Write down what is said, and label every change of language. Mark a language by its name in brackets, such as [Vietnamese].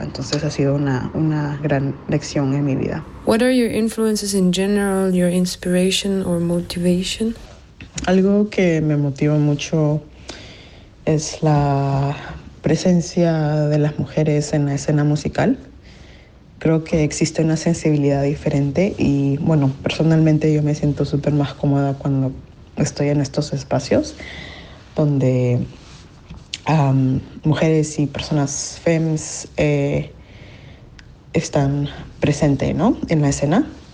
[Spanish] Entonces ha sido una gran lección en mi vida. [English] What are your influences in general, your inspiration or motivation? [Spanish] Algo que me motiva mucho es la presencia de las mujeres en la escena musical. Creo que existe una sensibilidad diferente y, bueno, personalmente yo me siento súper más cómoda cuando estoy en estos espacios donde mujeres y personas femmes están presentes, ¿no?, en la escena.